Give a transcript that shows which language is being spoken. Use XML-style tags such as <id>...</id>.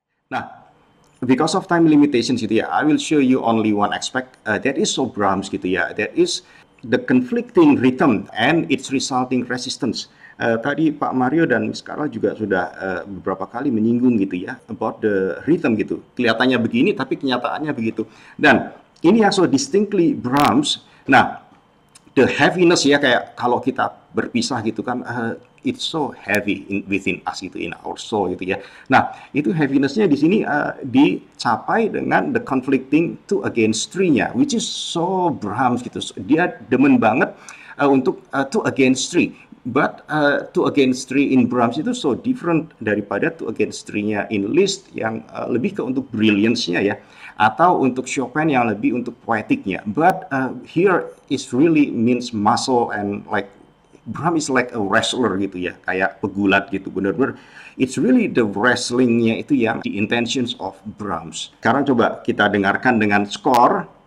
<en>Nah, because of time limitations gitu ya, I will show you only one aspect, that is so Brahms gitu ya, that is the conflicting rhythm and its resulting resistance.</en> <id>Tadi Pak Mario dan Miss Carla juga sudah beberapa kali menyinggung gitu ya,</id> <en>about the rhythm</en> <id>gitu. Kelihatannya begini, tapi kenyataannya begitu. Dan ini yang</id> <en>so distinctly Brahms. Nah, the heaviness ya,</en> <id>kayak kalau kita berpisah gitu kan,</id> <en>it's so heavy in within us gitu, in our soul gitu ya. Nah,</en> <id>itu heavinessnya di sini dicapai dengan</id> <en>the conflicting two against three-nya, which is so Brahms gitu.</en> <id>So, dia demen banget untuk two against three.</id> <en>But two against three in Brahms</en> <id>itu</id> <en>so different</en> <id>daripada two against three-nya in Liszt yang lebih ke untuk brilliance-nya ya, atau untuk Chopin yang lebih untuk poetiknya.</id> <en>But here is really means muscle and like Brahms is like a wrestler gitu ya,</en> <id>kayak pegulat gitu, benar-benar.</id> <en>It's really the wrestling-nya itu yang the intentions of Brahms.</en> <id>Sekarang coba kita dengarkan dengan skor.</id>